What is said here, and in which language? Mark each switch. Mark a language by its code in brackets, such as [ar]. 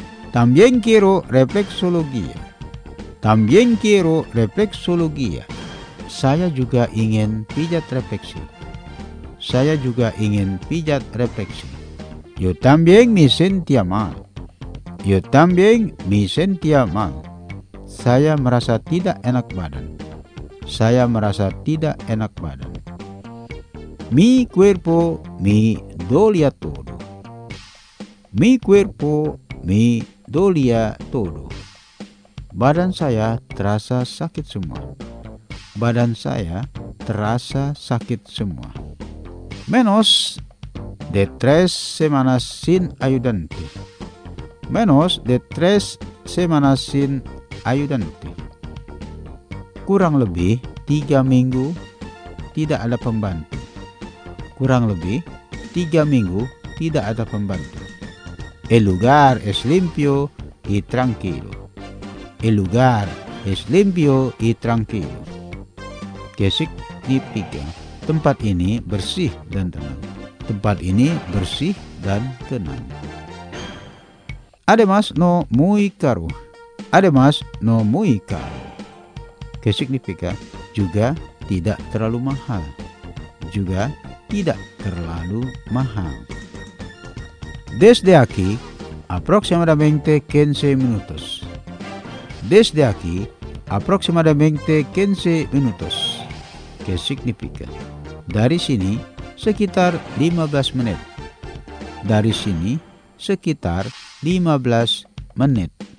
[es] También quiero reflexología. También quiero reflexología. [id] Saya juga ingin pijat refleksi. Saya juga ingin pijat refleksi. [es] Yo también me sentía mal. Yo también me sentía mal. [id] Saya merasa tidak enak badan. Saya merasa tidak enak badan. [es] Mi cuerpo me dolía todo. Mi cuerpo me dolía todo. [id] Badan saya terasa sakit semua. Badan saya terasa sakit semua. [es] Menos de tres semanas sin ayudante. Menos de tres semanas sin ayudante. [id] Kurang lebih tiga minggu tidak ada pembantu. Kurang lebih tiga minggu tidak ada pembantu. [es] El lugar es limpio y tranquilo. El lugar es limpio y tranquilo. ¿Qué significa? [id] Tempat ini bersih dan tenang. Tempat ini bersih dan tenang. [es] Además no muy caro. Además no muy caro. ¿Qué significa? [id] Juga tidak terlalu mahal. Juga tidak terlalu mahal. [es] Desde aquí aproximadamente 15 minutos. Desde aquí aproximadamente 15 minutos. ¿Qué significa? [id] Dari sini sekitar 15 menit. Dari sini sekitar 15 menit.